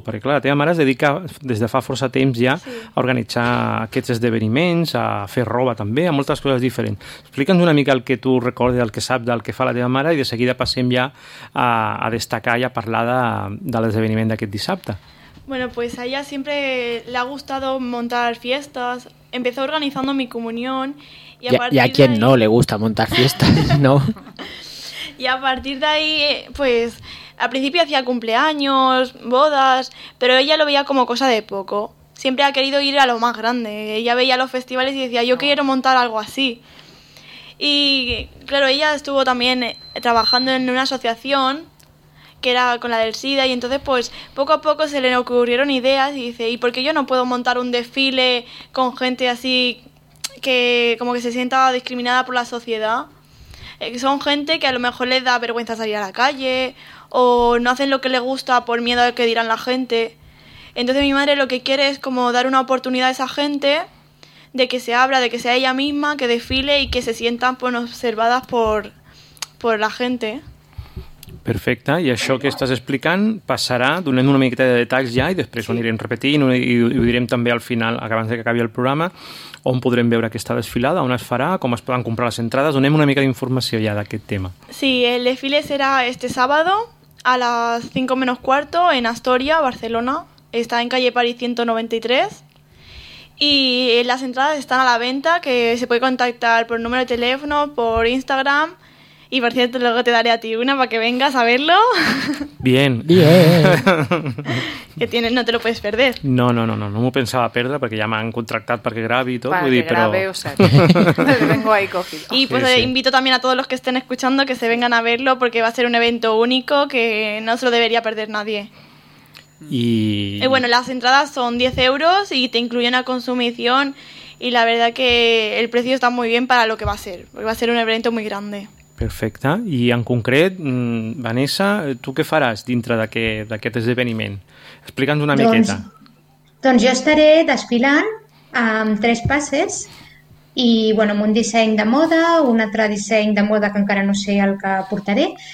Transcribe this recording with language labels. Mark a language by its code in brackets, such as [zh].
[ca] Perquè clar, la teva mare es dedica des de fa força temps ja, sí, a organitzar aquests esdeveniments, a fer roba també, a moltes coses diferents. Explica'ns una mica el que tu recordes, el que saps del que fa la teva mare, i de seguida passem ja a destacar i a parlar de l'esdeveniment d'aquest dissabte. [es] Bueno, pues a ella siempre le ha gustado montar fiestas. Empezó organizando mi comunión. ¿Y a quién no le gusta montar fiestas, ¿no? Y a partir de ahí, pues, al principio hacía cumpleaños, bodas, pero ella lo veía como cosa de poco. Siempre ha querido ir a lo más grande. Ella veía los festivales y decía, yo quiero montar algo así. Y, claro, ella estuvo también trabajando en una asociación que era con la del SIDA, y entonces pues poco a poco se le ocurrieron ideas y dice, ¿y por qué yo no puedo montar un desfile con gente así que como que se sienta discriminada por la sociedad? Son gente que a lo mejor les da vergüenza salir a la calle o no hacen lo que les gusta por miedo a que dirán la gente. Entonces mi madre lo que quiere es como dar una oportunidad a esa gente de que se abra, de que sea ella misma, que desfile y que se sientan pues, observadas por la gente. [ca] Perfecte, i això que estàs explicant passarà, donem una miqueta de detalls ja i després ho anirem repetint i ho direm també al final, abans que acabi el programa, on podrem veure aquesta desfilada, on es farà, com es poden comprar les entrades, donem una mica d'informació ja d'aquest tema. [es] Sí, el desfile serà este sábado a las 5:45 en Astoria, Barcelona, està en calle París 193 y las entradas están a la venta, que se puede contactar por número de teléfono, por Instagram. Y por cierto, luego te daré a ti una para que vengas a verlo. Bien. Que tienes, no te lo puedes perder. No me pensaba perder porque ya me han contractado para que grabe y todo. Para [ca] vull que dir, pero... [es] grabe, o sea, vengo ahí cogido. Y pues sí. Invito también a todos los que estén escuchando que se vengan a verlo porque va a ser un evento único que no se lo debería perder nadie. Y bueno, las entradas son 10 euros y te incluye una consumición y la verdad que el precio está muy bien para lo que va a ser. Porque va a ser un evento muy grande. [ca] Perfecte. I en concret, Vanessa, tu què faràs dintre d'aquest esdeveniment? Explica'ns una miqueta. Doncs jo estaré desfilant amb tres passes i bueno, amb un disseny de moda, un altre disseny de moda que encara no sé el que portaré.